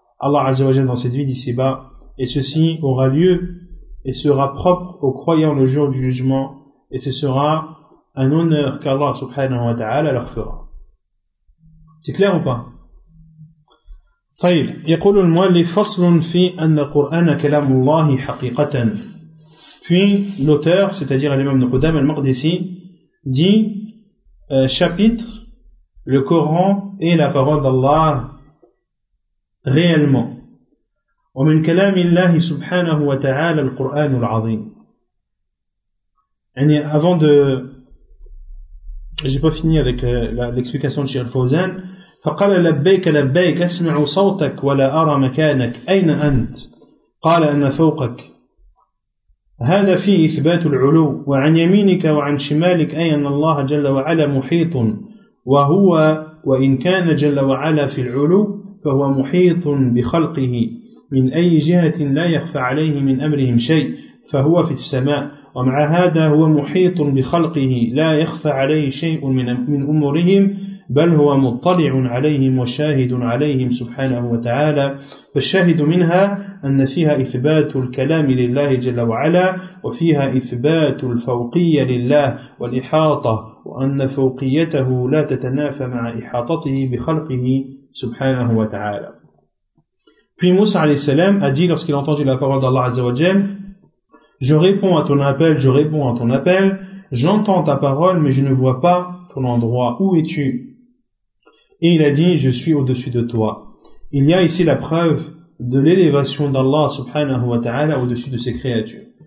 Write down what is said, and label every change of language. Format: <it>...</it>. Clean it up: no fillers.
<fr>Allah Azzawajal dans cette vie d'ici-bas, et ceci aura lieu et sera propre aux croyants le jour du jugement, et ce sera un honneur qu'Allah subhanahu wa ta'ala leur fera. C'est clair ou pas?</fr> <ar>طيب يقول المؤلف فصل في أن القرآن كلام الله حقيقة.</ar> <fr>puis l'auteur, c'est-à-dire l'imam de Qudam al-Maqdisi, dit chapitre, le Coran est la parole d'Allah réellement.</fr> <ar>ومن كلام الله سبحانه وتعالى القرآن العظيم.</ar> <fr>يعني avant de, j'ai pas fini avec l'explication de Cheikh Fawzan.</fr> <ar>فقال لبيك لبيك أسمع صوتك ولا أرى مكانك أين أنت قال أنا فوقك هذا فيه إثبات العلو وعن يمينك وعن شمالك أي أن الله جل وعلا محيط وهو وإن كان جل وعلا في العلو فهو محيط بخلقه من أي جهة لا يخفى عليه من أمرهم شيء فهو في السماء ومع هذا هو محيط بخلقه لا يخفى عليه شيء من أمورهم بل هو مطلع عليهم وشاهد عليهم سبحانه وتعالى فالشاهد منها أن فيها إثبات الكلام لله جل وعلا وفيها إثبات الفوقية لله والإحاطة وأن فوقيته لا تتنافى مع إحاطته بخلقه سبحانه وتعالى.</ar> <fr>Puis Moussa alayhi salam a dit lorsqu'il a entendu la parole d'Allah Azza wa Jal, je réponds à ton appel, je réponds à ton appel, j'entends ta parole mais je ne vois pas ton endroit, où es-tu? Et il a dit, je suis au-dessus de toi. Il y a ici la preuve de l'élévation d'Allah subhanahu wa ta'ala au-dessus de ses créatures.</fr>